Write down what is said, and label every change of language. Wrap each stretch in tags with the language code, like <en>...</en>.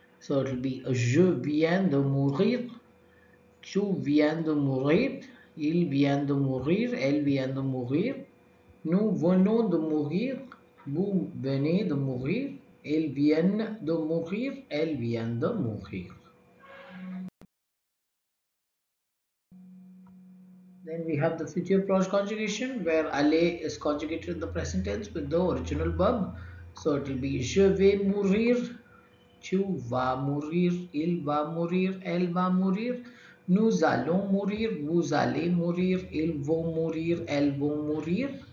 <en>So it will be</en> <fr>je viens de mourir, tu viens de mourir, il vient de mourir, elle vient de mourir, nous venons de mourir, vous venez de mourir, ils viennent de mourir, elle vient de mourir.</fr> <en>Then we have the future plus conjugation where aller is conjugated in the present tense with the original verb. So it will be</en> <fr>je vais mourir, tu vas mourir, il va mourir, elle va mourir, nous allons mourir, vous allez mourir, ils vont mourir, elles vont mourir.</fr>